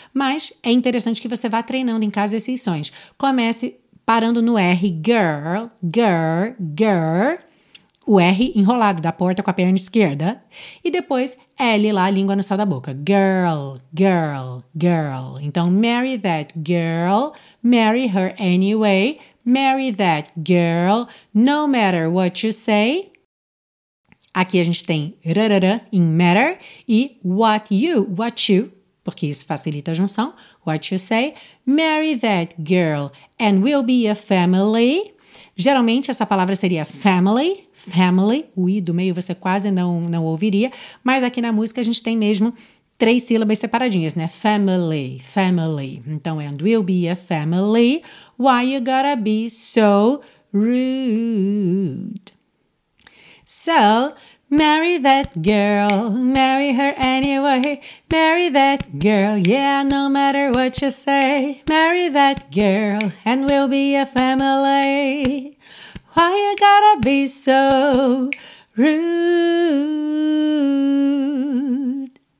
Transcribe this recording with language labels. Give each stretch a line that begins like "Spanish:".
Portuguese: Mas é interessante que você vá treinando em casa esses sons. Comece parando no R, girl, girl, girl, o R enrolado da porta com a perna esquerda, e depois L lá, a língua no céu da boca, girl, girl, girl.
English: Então, marry that girl, marry her anyway, marry that girl, no matter what you say.
Portuguese: Aqui a gente tem rarara em matter e
English: what you, porque isso facilita a junção, what you say, marry that girl and we'll be a family.
Portuguese: Geralmente essa palavra seria family, family, o i do meio você quase não ouviria, mas aqui na música a gente tem mesmo três sílabas separadinhas, né?
English: Family, family. Então, and we'll be a family, why you gotta be so rude? So, marry that girl, marry her anyway, marry that girl, yeah, no matter what you say, marry that girl, and we'll be a family, why you gotta be so rude?